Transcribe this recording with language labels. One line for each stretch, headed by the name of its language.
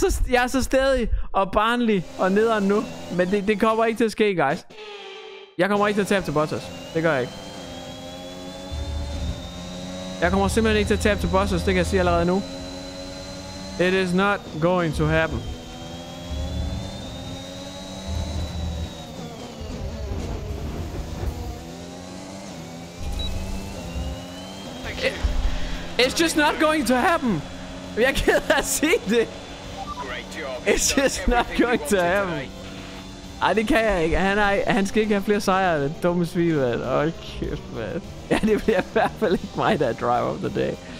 Danish: Jeg er så stædig og barnlig og nederen nu. Men det kommer ikke til at ske, guys. Jeg kommer ikke til at tabe til Bottas. Det gør jeg ikke. Jeg kommer simpelthen ikke til at tabe til Bottas. Det kan jeg sige allerede nu.
English: It is not going to happen. It's just not going to happen.
Danish: Jeg er ked af at sige det.
English: It's just not going to happen.
Danish: Ej, det kan jeg ikke. Han skal ikke have flere sejre af det dumme svin, man. Oh, kæft, man. Ja, det bliver i hvert fald ikke mig, der er
English: driver of the day.